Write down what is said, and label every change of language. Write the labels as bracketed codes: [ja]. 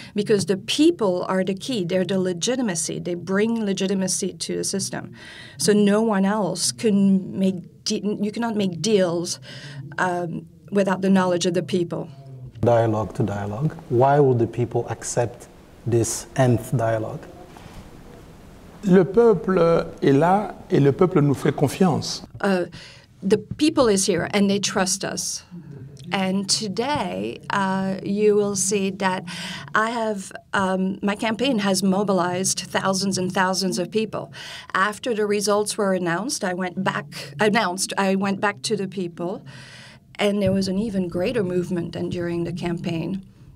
[en] Because the people are the key. They're the legitimacy. They bring legitimacy to the system. So no one else can make you cannot make deals without the knowledge of the people. Dialogue to dialogue. Why will the people accept this nth dialogue? [fr] Le peuple est là et le peuple nous fait confiance. [en] The people is here and they trust us. And today, you will see that I have my campaign has mobilized thousands and thousands of people. After the results were announced, I went back to the people, and there was an even greater movement than during the campaign.